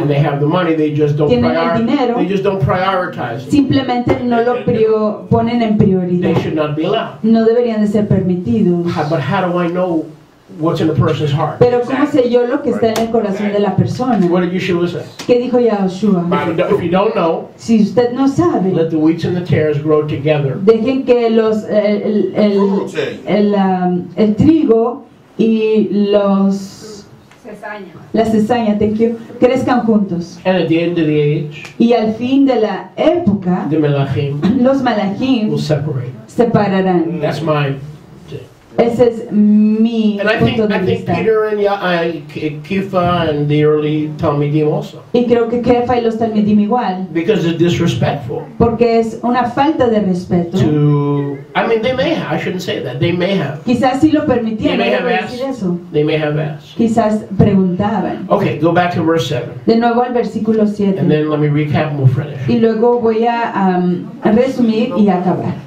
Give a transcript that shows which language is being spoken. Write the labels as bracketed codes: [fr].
[en] And they have the money, they just don't [es] tienen el dinero, [en] they just don't prioritize. [es] Simplemente no lo ponen en prioridad. [en] They should not be allowed. [es] No deberían de ser permitidos. [en] But how do I know what's in a person's heart? [es] Pero cómo sé yo lo que está en el corazón de la persona. [en] What did Yeshua say? [es] ¿Qué dijo Yeshua? [en] If you don't know, [es] si usted no sabe, [en] let the wheat and the tares grow together. [es] Dejen que los el trigo y los la cizaña, [en] thank you, [es] crezcan juntos. [en] And at the end of the age, [es] y al fin de la época, [en] the Melahim, [es] los Malahim [en] will separate. [es] Separarán. [en] That's my. [es] Ese es mi punto de vista. [en] And I think Peter and Kefa and the early Talmidim also. [es] Y creo que Kefa y los Talmidim igual. [en] Because it's disrespectful. [es] Porque es una falta de respeto. [en] To, I mean, they may have. I shouldn't say that. They may have. [es] Quizás sí lo permitían. [en] They may have asked. They may have asked. [es] Quizás preguntaban. [en] Okay, go back to verse 7. [es] De nuevo al versículo 7. [en] And then let me recap and we'll finish. [es] Y luego voy a resumir y acabar.